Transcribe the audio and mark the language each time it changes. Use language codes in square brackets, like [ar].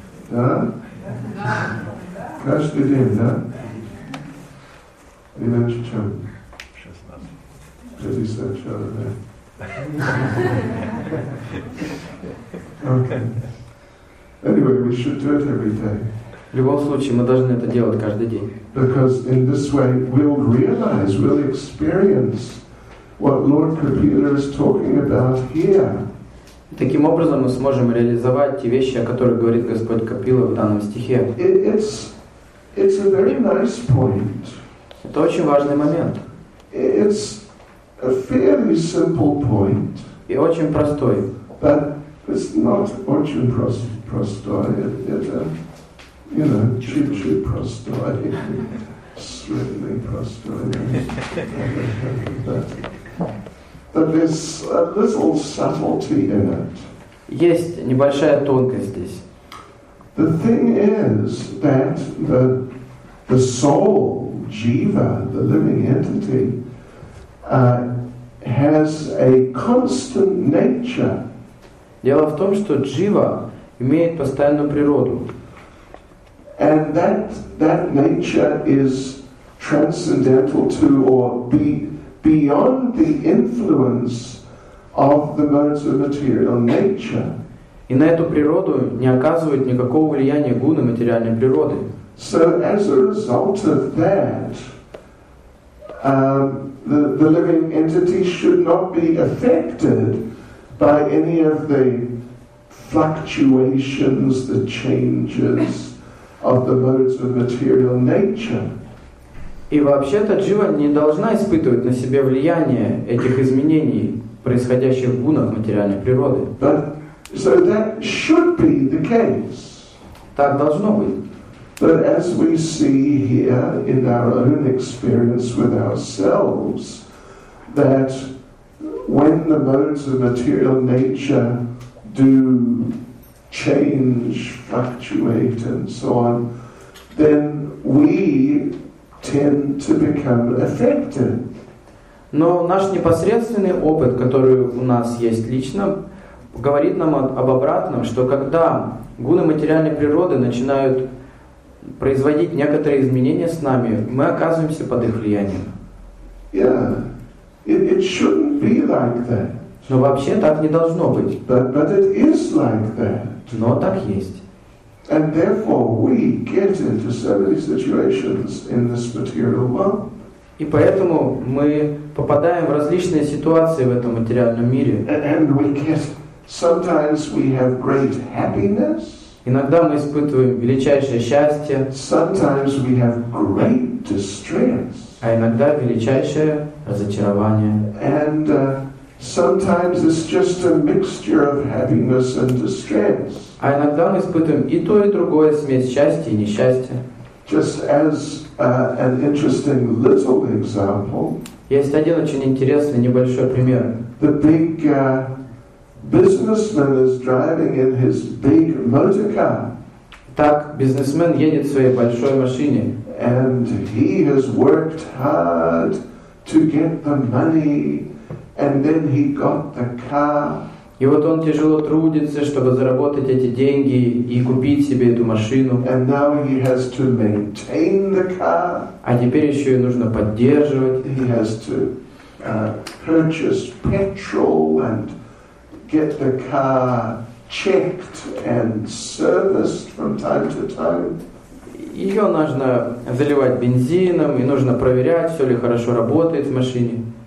[ru] Да? Каждый день, да? Иначе чем? 16. 50 человек, да? Okay. [en] Anyway, we should do it every day. [ru] В любом случае, мы должны это делать каждый день. [en] Because in this way we'll realize, we'll experience what Lord Kapila is talking about here. [ru] Таким образом мы сможем реализовать те вещи, о которых говорит Господь Капила в данном стихе. [en] It's It's a very nice point. [ru] Это очень важный момент. [en] It's a fairly simple point. [ru] И очень простой. [en] But it's not [ru] очень простой. Чуть-чуть простой. Средне простой. [en] But there's a little subtlety in it. [ru] Есть небольшая тонкость здесь. [en] The thing is that the soul, jiva, the living entity, has a constant nature. [ru] Дело в том, что джива имеет постоянную природу. [en] And that nature is transcendental to or beyond the influence of the modes of material nature. [ru] И на эту природу не оказывает никакого влияния гуны материальной природы. [en] So as a result of that, the living entity should not be affected by any of the fluctuations, the changes of the modes of material nature. [ru] И вообще-то джива не должна испытывать на себе влияние этих изменений, происходящих в гунах материальной природы. [en] So that should be the case. [ru] Так должно быть. [en] But as we see here in our own experience with ourselves, that when the modes of material nature do change, fluctuate, and so on, then we tend to become affected. [ru] Но наш непосредственный опыт, который у нас есть лично, говорит нам об обратном, что когда гуны материальной природы начинают производить некоторые изменения с нами, мы оказываемся под их влиянием. [en] Yeah. It shouldn't be like that. [ru] Но вообще так не должно быть. [en] But it is like that. [ru] Но так есть. [en] And therefore we get into so many situations in this material world. [ru] И поэтому мы попадаем в различные ситуации в этом материальном мире. [en] Sometimes we have great happiness. [ru] Иногда мы испытываем величайшее счастье. [en] Sometimes we have great distress. [ru] А иногда величайшее разочарование. [en] And sometimes it's just a mixture of happiness and distress. [ru] А иногда мы испытываем и то, и другое, смесь счастья и несчастья. [en] Just as an interesting little example. [ru] Есть один очень интересный небольшой пример. [en] The big businessman is driving in his big motor car. [ru] Так бизнесмен едет в своей большой машине. [en] And he has worked hard to get the money, and then he got the car. [ru] И вот он тяжело трудится, чтобы заработать эти деньги и купить себе эту машину. [en] And now he has to maintain the car. [ru] А теперь еще и нужно поддерживать. [en] He has to purchase petrol and get the car checked and serviced from time to time. [ru] Ее нужно заливать бензином, и нужно проверять, все ли хорошо работает в машине.